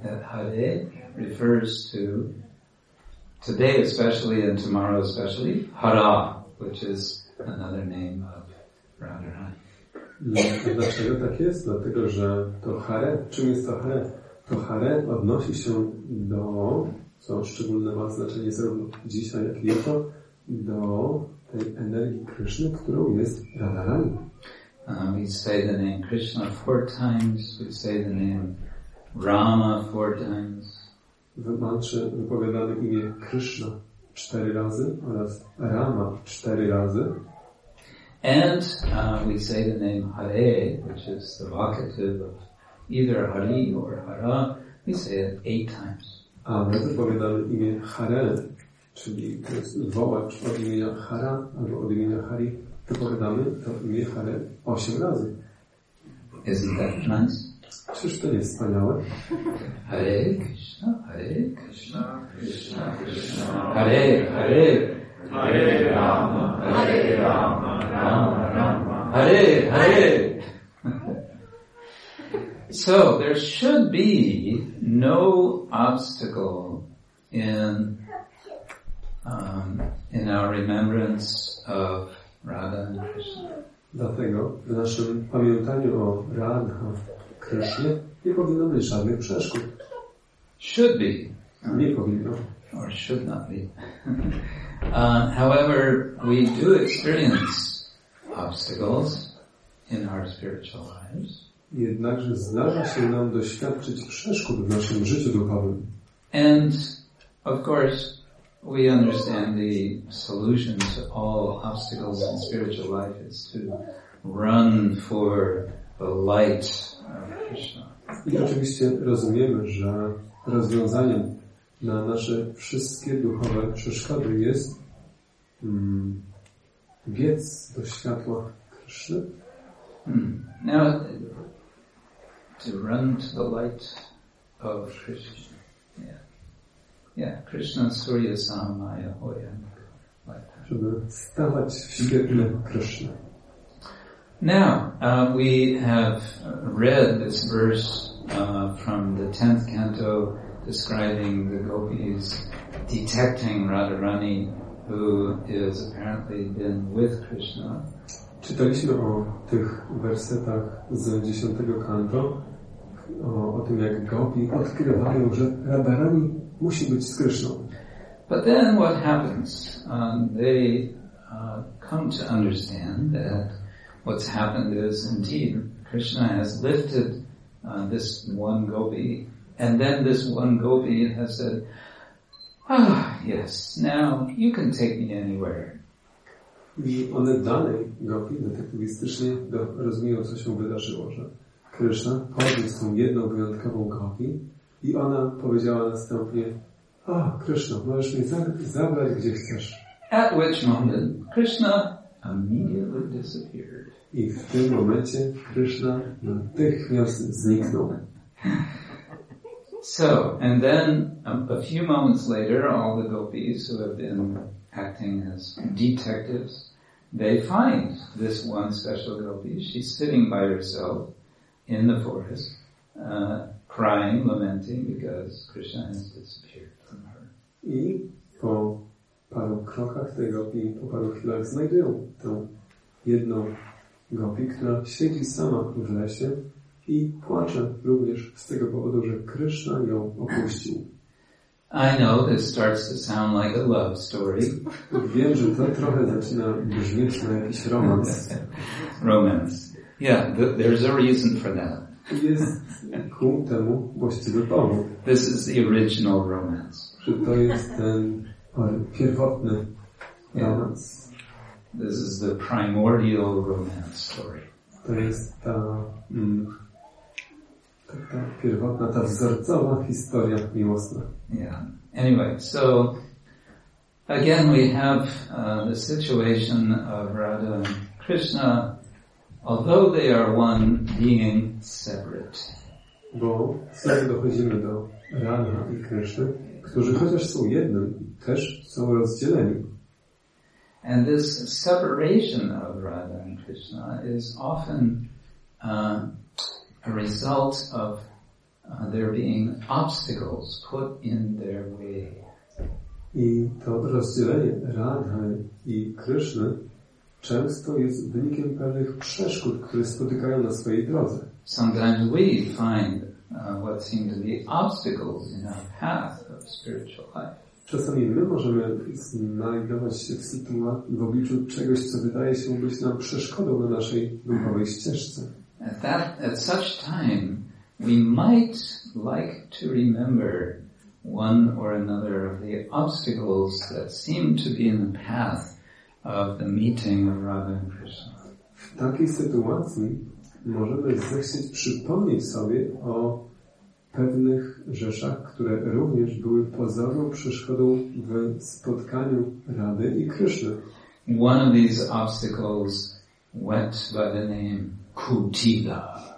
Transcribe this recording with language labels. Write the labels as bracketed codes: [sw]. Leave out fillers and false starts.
[en] That Hare refers to today especially and tomorrow especially, Hara, which is another name of Radharani. [pl] Dlaczego tak jest? Dlatego, że to Hare, czym jest to Hare? To Hare odnosi się do, co szczególne ma znaczenie zarówno dzisiaj, jak i jutro, do tej energii Krishny, którą jest Radharani. [en] We say the name Krishna four times, we say the name Rama four times. [pl] W mantrze wypowiadamy imię Krishna cztery razy oraz Rama cztery razy. [en] And we say the name Hare, which is the vocative of either Hari or Hara, we say it eight times. [pl] A my wypowiadamy imię Hare, czyli to jest wołacz od imienia Hara albo od imienia Hari. Wypowiadamy to imię Hare osiem razy. [en] Isn't that nice? [pl] Czyż to nie wspaniałe? [sa] Hare Krishna, Hare Krishna, Krishna Krishna, Hare Hare, Hare Rama, Hare Rama, Rama Rama, Hare Hare. [en] So there should be no obstacle in our remembrance of Radha and Krishna. [pl] Dlatego w naszym pamiętaniu o Radha Krishna nie powinno być żadnych przeszkód. [en] Should be. [pl] Nie powinno. [en] Or should not be. However, we do experience obstacles in our spiritual lives. [pl] Jednakże zdarza się nam doświadczyć przeszkód w naszym życiu duchowym. [en] And of course, we understand the solution to all obstacles in spiritual life is to run for the light of Krishna. [pl] I oczywiście rozumiemy, że rozwiązaniem na nasze wszystkie duchowe przeszkody jest biec do światła Krishna. [en] Now, to run to the light of Krishna. [bn] Yeah, Krishna Surya Samaya Hoyam. [pl] Żeby stawać w świetle Krishna. [en] Now, we have read this verse from the 10th canto describing the gopis detecting Radharani, who is apparently been with Krishna. [pl] Czytaliśmy o tych wersetach z 10 kanto, o tym, jak gopi odkrywają, że Radharani musi być z Krishna. [en] But then what happens? They come to understand that what's happened is indeed Krishna has lifted this one gopi, and then this one gopi has said, "Ah, yes, now you can take me anywhere." [pl] I one dalej gopi, no tak mistycznie rozumieją, co się wydarzyło, że Krishna podniósł tą jedną wyjątkową gopi i ona powiedziała następnie, "Ah, Krishna, możesz mnie zabrać, gdzie chcesz." [en] At which moment Krishna immediately disappeared. [pl] I w tym momencie Krishna natychmiast zniknął. [en] So, and then a few moments later, all the gopis who have been acting as detectives, they find this one special gopi. She's sitting by herself in the forest, crying, lamenting because Krishna has disappeared from her. [pl] I po paru krokach tej gopi, po paru chwilach znajdują tą jedną gopi, która siedzi sama w lesie i płacze również z tego powodu, że Krishna ją opuścił. [en] I know this starts to sound like a love story. [pl] Wiem, że to trochę zaczyna brzmieć na jakiś romans. [en] Romans. Yeah, there's a reason for that. [pl] Jest ku temu właściwy powód. [en] This is the original romance. [pl] Że to jest ten pierwotny romans. [en] This is the primordial romance story. [pl] To jest ta ta pierwotna, ta wzorcowa historia miłosna. [en] Yeah. Anyway, so again we have the situation of Radha and Krishna, although they are one being, separate. [pl] Bo wtedy dochodzimy do Radha i Krishna, którzy chociaż są jednym, też są rozdzieleni. [en] And this separation of Radha and Krishna is often a result of there being obstacles put in their way. [pl] I to rozdzielenie Radha i Krishna często jest wynikiem pewnych przeszkód, które spotykają na swojej drodze. [en] Sometimes we find what seem to be obstacles in our path of spiritual life. [pl] Czasami my możemy znajdować się w sytuacji, w obliczu czegoś, co wydaje się być nam przeszkodą na naszej duchowej ścieżce. [en] At such time, we might like to remember one or another of the obstacles that seem to be in the path of the meeting of Radha and Krishna. [pl] W takiej sytuacji możemy zechcieć przypomnieć sobie o pewnych rzeczach, które również były pozorną przeszkodą w spotkaniu Rady i Krishna. [en] One of these obstacles went by the name Kutila.